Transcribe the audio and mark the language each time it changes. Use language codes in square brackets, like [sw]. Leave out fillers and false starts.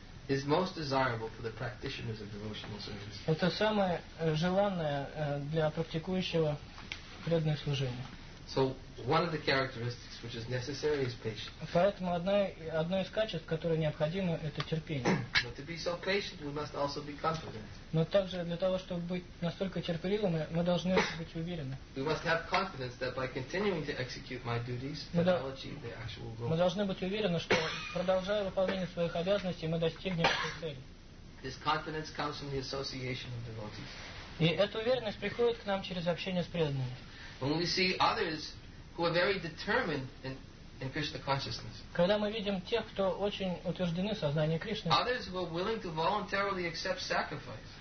[en] is most desirable for the practitioners of devotional service. [ru] Это самое желанное для практикующего преданное служение. [en] So one of the characteristics which is necessary is patience. [ru] Поэтому одно из качеств, которое необходимо, это терпение. [en] But to be so patient, we must also be confident. [ru] Но также для того, чтобы быть настолько терпеливыми, мы должны быть уверены. [en] We must have confidence that by continuing to execute my duties, that I'll achieve the actual goal. [ru] Мы должны быть уверены, что продолжая выполнение своих обязанностей, мы достигнем этой цели. [en] This confidence comes from the association of devotees. [ru] И эта уверенность приходит к нам через общение с преданными. [en] When we see others who are very determined in Krishna consciousness. [ru] Когда мы видим тех, кто очень утверждены в сознании Кришны. [en] Others who are willing to voluntarily accept sacrifice.